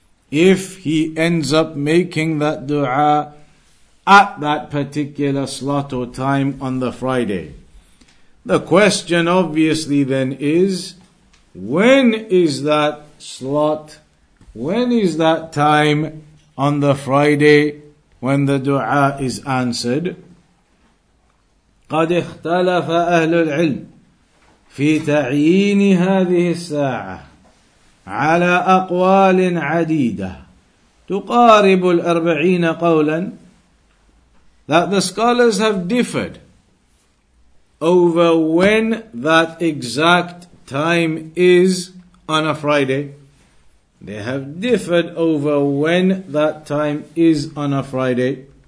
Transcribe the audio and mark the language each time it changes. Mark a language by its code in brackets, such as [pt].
[en] If he ends up making that dua at that particular slot or time on the Friday. The question obviously then is, when is that slot, when is that time on the Friday when the dua is answered? [ar] قَدْ اخْتَلَفَ أَهْلُ الْعِلْمِ فِي تَعْيِينِ هَذِهِ السَّاعَةِ على أقوال عديدة تقارب الأربعين قولا. [en] That the scholars have differed over when that exact time is on a Friday. They have differed over when that time is on a Friday.